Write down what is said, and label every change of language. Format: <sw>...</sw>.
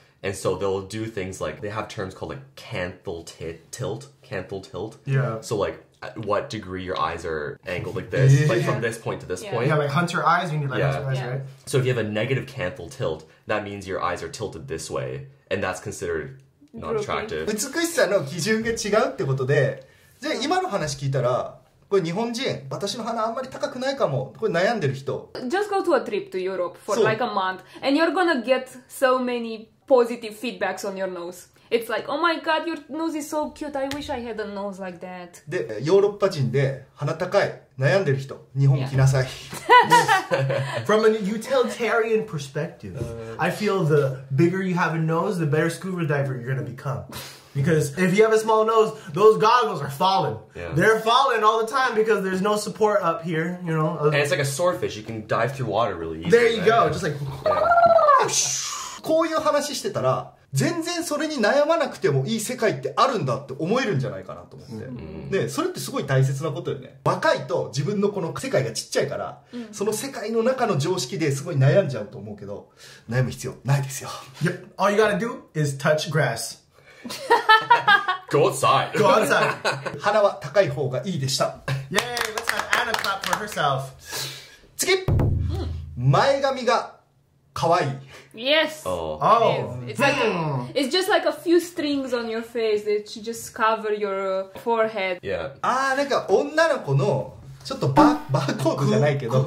<en>And so they'll do things like they have terms called like canthal tilt. Yeah. So like at what degree your eyes are angled like this, like from this point to this point. Yeah, like hunter eyes, you need like hunter eyes, right? So if you have a negative canthal tilt, that means your eyes are tilted this way, and that's considered not attractive.</en> <ja>美しさの基準が違うってことで、じゃあ今の話聞いたら。これ日本人、私の鼻あんまり高くないかも。これ悩んでる人。</ja> <en>Just go to a trip to Europe for like a month, and you're gonna get so many positive feedbacks on your nose. It's like, oh my god, your nose is so cute. I wish I had a nose like that.</en> <ja>で、ヨーロッパ人で鼻高い悩んでる人、日本来なさい。</ja> <en>From a utilitarian perspective, I feel the bigger you have a nose, the better scuba diver you're gonna become. Because if you have a small nose, those goggles are falling. Yeah. They're falling all the time because there's no support up here, you know. And it's like a swordfish. You can dive through water really easily. There you go. Yeah. Just like... Yeah.</en> <ja>こういう話してたら、全然それに悩まなくてもいい世界ってあるんだって思えるんじゃないかなと思って。うん、で、それってすごい大切なことよね。若いと自分のこの世界がちっちゃいから、うん、その世界の中の常識ですごい悩んじゃうと思うけど、悩む必要ないですよ。</ja> <en>Yep. All you gotta do is touch grass. Go outside. Go outside.</en> <ja>鼻は高い方がいいでした。</ja> <en>Yay! Let's have Anna clap for herself.</en> <ja>次、うん、前髪が可愛い。</ja> <en>Yes. Oh. It it's like a, it's just like a few strings on your face that you just cover your forehead. Yeah.</en> <ja>Ah, なんか女の子のちょっとバーコードじゃないけど。</ja>